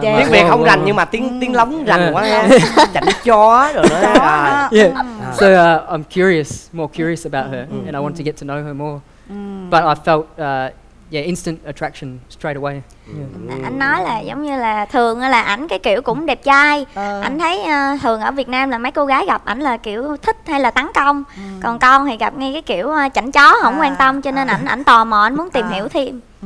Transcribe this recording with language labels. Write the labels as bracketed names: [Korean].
[Vietnamese] Tiếng Việt không rành nhưng mà tiếng lóng rành quá. Chăn chó rồi. [English] Yeah. So I'm more curious about her, and I want to get to know her more. But I felt instant attraction straight away. [Vietnamese] Anh nói là giống như là thường là ảnh cái kiểu cũng đẹp trai. Anh thấy thường ở Việt Nam là mấy cô gái gặp ảnh là kiểu thích hay là tấn công. Còn con thì gặp ngay cái kiểu chảnh chó không quan tâm, cho nên ảnh tò mò, ảnh muốn tìm hiểu thêm.